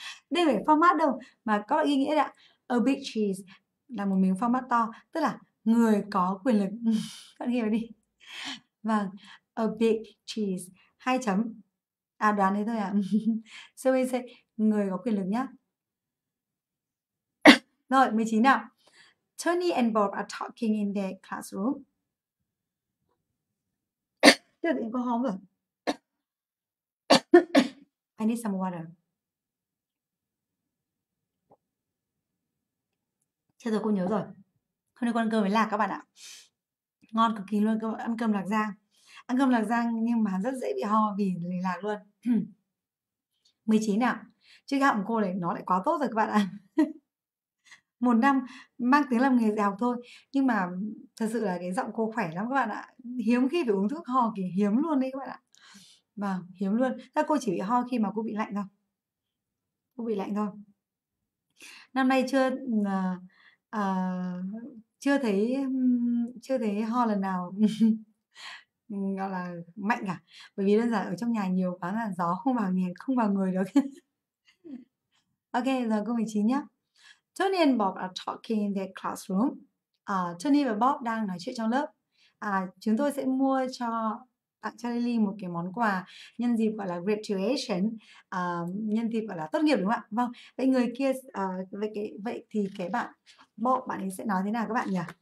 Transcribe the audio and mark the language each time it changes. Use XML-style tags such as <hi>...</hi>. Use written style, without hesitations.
<vi>Đây phải phô mát đâu, mà có ý nghĩa đấy ạ.</vi> <en>A big cheese</en> <vi>là một miếng phô mát to, tức là người có quyền lực. Các bạn hiểu đi. Vâng.</vi> <en>A big cheese.</en> <vi>Hai chấm. À, đoán thế thôi ạ.</vi> <en>So we say,</en> <vi>người có quyền lực nhá. Rồi, 19 nào.</vi> <en>Tony and Bob are talking in their classroom.</en> <vi>Chưa thì em có hóm rồi.</vi> <en>I need some water.</en> <vi>Chưa rồi, cô nhớ rồi. Hôm nay con ăn cơm với lạc các bạn ạ. Ngon cực kỳ luôn, ăn cơm lạc giang. Ăn cơm lạc giang nhưng mà rất dễ bị ho vì lì lạc luôn. 19 nào. Chứ cái họng cô này nó lại quá tốt rồi các bạn ạ. Một năm mang tiếng làm nghề dạy học thôi, nhưng mà thật sự là cái giọng cô khỏe lắm các bạn ạ. Hiếm khi phải uống thuốc ho kìa, hiếm luôn đấy các bạn ạ. Vâng, hiếm luôn. Các cô chỉ bị ho khi mà cô bị lạnh thôi. Cô bị lạnh thôi. Năm nay chưa chưa thấy ho lần nào. Gọi là mạnh cả, bởi vì đơn giản ở trong nhà nhiều quá là gió không vào nhà, không vào người được. Ok, giờ câu 19 nhé.</vi> <en>Tony and Bob are talking in their classroom.</en> <vi>Tony và Bob đang nói chuyện trong lớp. Chúng tôi sẽ mua cho Charlie một cái món quà nhân dịp gọi là graduation, nhân dịp gọi là tốt nghiệp đúng không ạ? Vâng, vậy người kia, vậy thì cái bạn bộ bạn ấy sẽ nói thế nào các bạn nhỉ?</vi>